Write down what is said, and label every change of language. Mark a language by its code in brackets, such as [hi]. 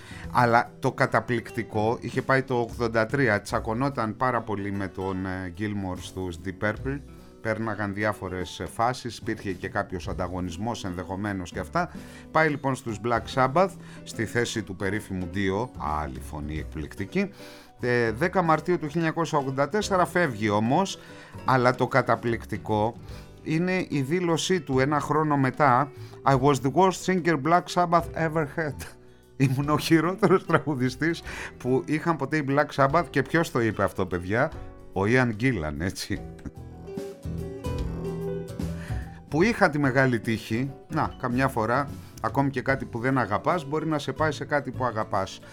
[el] Αλλά το καταπληκτικό, είχε πάει το 83, τσακωνόταν πάρα πολύ με τον Gilmour στους Deep Purple, πέρναγαν διάφορες φάσεις, υπήρχε και κάποιος ανταγωνισμός ενδεχομένως και αυτά. Πάει λοιπόν στους Black Sabbath, στη θέση του περίφημου Dio, άλλη φωνή εκπληκτική. 10 Μαρτίου του 1984 φεύγει όμως, αλλά το καταπληκτικό είναι η δήλωσή του ένα χρόνο μετά. [en] I was the worst singer Black Sabbath ever had. [el] Ήμουν ο χειρότερος τραγουδιστής που είχαν ποτέ οι Black Sabbath. Και ποιος το είπε αυτό παιδιά? Ο Ιαν Γκίλαν, έτσι. Που είχα τη μεγάλη τύχη. Να, καμιά φορά ακόμη και κάτι που δεν αγαπάς μπορεί να σε πάει σε κάτι που αγαπάς.